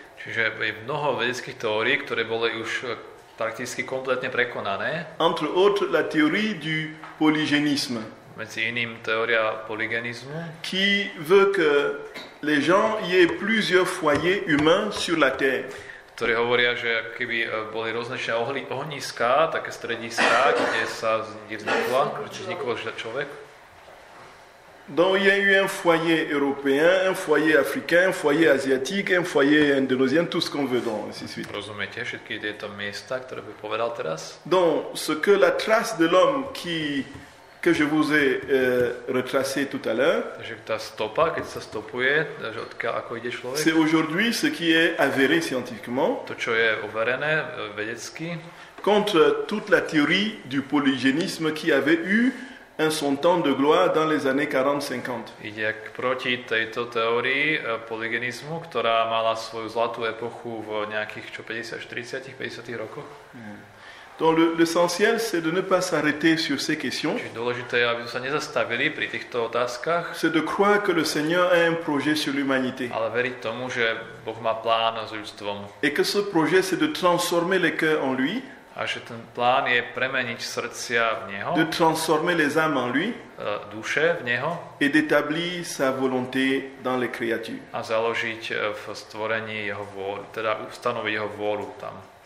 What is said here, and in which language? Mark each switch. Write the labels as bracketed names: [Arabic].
[Slovak] Čiže je mnoho vedeckých teórií, ktoré boli už prakticky kompletne prekonané. [French] Entre autres la théorie du polygénisme. [Slovak] Medzi iným teória polygénizmu, [French] qui veut que les gens y aient plusieurs foyers humains sur la terre. [Slovak] Ktorí hovoria, že keby boli rôznečné ohniska, také strediska, kde sa vzniklo človek. [French] Donc il y a eu un foyer européen, un foyer africain, un foyer asiatique, un foyer indonésien, tout ce qu'on veut donc, ainsi de suite. [Slovak] Rozumiete všetky tieto miesta, ktoré by povedal teraz? [French] Donc ce que la trace de l'homme que je vous ai retracé tout à l'heure. [Slovak] Takže tá stopa, keď sa stopuje, takže odkiaľ, ako ide človek. [French] C'est aujourd'hui ce qui est avéré scientifiquement. [Slovak] To, čo je overené vedecky. [French] Contre toute la théorie du polygénisme qui avait eu en son temps de gloire dans les années 40-50. [Slovak] Ide proti tejto teórii polygenizmu, ktorá mala svoju zlatú epochu v nejakých 50-tych rokoch. [French] Donc l'essentiel c'est de ne pas s'arrêter sur ces questions. [Slovak] Čiže dôležité je, aby sa nezastavili pri týchto otázkach. [French] C'est de croire que le Seigneur a un projet sur l'humanité. [Slovak] Ale veriť tomu, že Boh má plán s ľudstvom. [French] Et que ce projet c'est de transformer les cœurs en lui. [Slovak] A že ten plán je premeniť srdcia v Neho. [French] De transformer les âmes en lui. [Slovak] Duše v Neho. [French] Et d'établir sa volonté dans les créatures. [Slovak] A založiť v stvorení Jeho vôľu, teda ustanoviť Jeho vôľu tam.